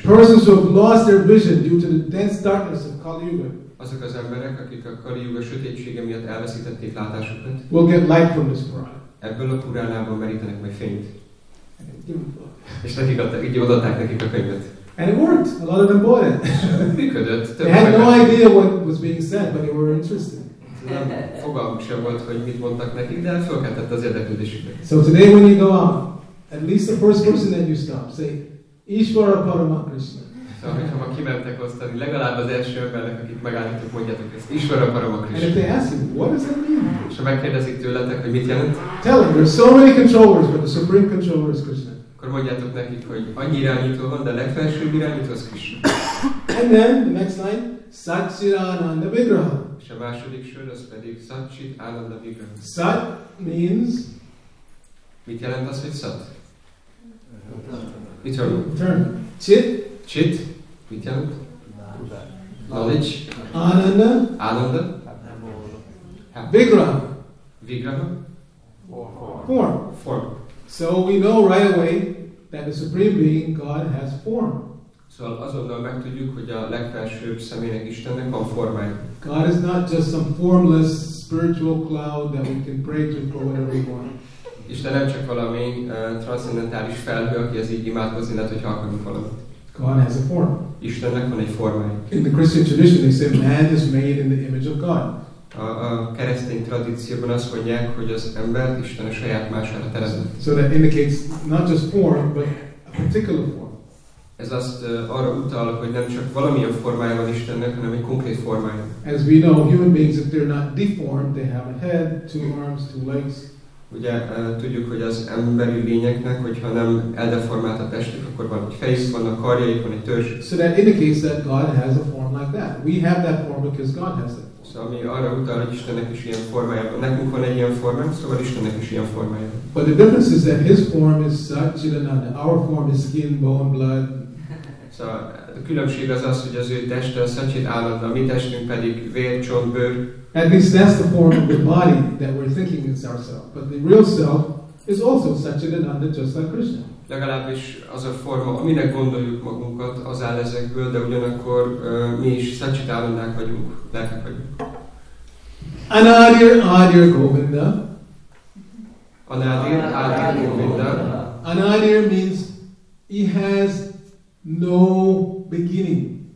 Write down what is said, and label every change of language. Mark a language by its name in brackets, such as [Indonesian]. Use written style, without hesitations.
[English] Persons who have lost their vision due to the dense darkness of Kali Yuga. [Hungarian] Azok az emberek, akik a Kali Yuga sötétsége miatt elveszítették látásukat. [English] Will get light from this Purana. [Hungarian] Ebből a Puránában merítenek meg fényt. És nekik adták, így odaadták nekik a könyvet. [English] And it worked. A lot of them bought it. [Hungarian] Működött. [English] They had no idea what was being said, but they were interested. [Hungarian] Fogalmuk sem volt, hogy mit mondtak nekik, de felkeltett az érdeklődésüket. [English] So today when you go out, at least the first person that you stop, say, Ishvara Paramakrishna. [Hungarian] Szóval, hogyha ma kimentek osztani, legalább az első embernek, akik megállítok, mondjátok ezt, Ishvara Parama Krishna. [English] And if they ask him, what does that mean? [Hungarian] És ha megkérdezik tőletek, hogy mit jelent? [English] Tell him, there are so many controllers, but the supreme controller is Krishna. [Hungarian] Akkor mondjátok nekik, hogy annyi irányító van, de a legfelsőbb irányító az Krishna. [English] And then, the next line, Sat Chit Ananda Vigraha. [Hungarian] És a második sör, az pedig Sat Chit Ananda Vigraha. [English] Sat means? [Hungarian] Mit jelent az, hogy Sat? [English] Eternal. Eternal. Chit? [Hungarian] Chit? Mit jelent? [English] Knowledge. Ananda? [Hungarian] Ananda? [English] Vigraha. [Hungarian] Vigraha? [English] Form. Form. So we know right away that the Supreme Being, God, has form. [Hungarian] Szóval azonnal megtudjuk, hogy a legfelsőbb személynek, Istennek van formája. [English] God is not just some formless spiritual cloud that we can pray to for whatever we want. [Hungarian] Isten nem csak valami transzcendentális felhő, aki az így imádkozni lehet, hogyha akarunk valamit. [English] God has a form. [Hungarian] Istennek van egy formája. [English] In the Christian tradition they say man is made in the image of God. [Hungarian] A keresztény tradícióban azt mondják, hogy az ember Isten a saját mására teremtett. [English] So that indicates not just form, but a particular form. [Hungarian] Ez azt arra utal, hogy nem csak valamilyen formája van Istennek, hanem egy konkrét formája. [English] As we know, human beings, if they're not deformed, they have a head, two arms, two legs. [Hungarian] Ugye tudjuk, hogy az emberi lényeknek, hogyha nem eldeformált a testük, akkor van egy fejük, van a karjaik, van egy törzs. [English] So that indicates that God has a form like that. We have that form because God has it. [Hungarian] Szóval mi arra utal, hogy Istennek is ilyen formája van. Nekünk van egy ilyen formánk, szóval Istennek is ilyen formája. [English] But the difference is that his form is Satchitananda. Our form is skin, bone, blood. [Hungarian] Szóval a különbség az az, hogy az ő teste a Satchitananda, mi testünk pedig vér, csont, bőr. [English] At least that's the form of the body that we're thinking is ourself. But the real self is also Satchitananda, just like Krishna. [Hungarian] Legalábbis az a forma, aminek gondoljuk magunkat, az áll ezekből, de ugyanakkor mi is Satchitanandák vagyunk, lelkek vagyunk. [Sanskrit] Anadir Adir Govinda. Anadir Adir Govinda. [English] Anadir means he has no beginning.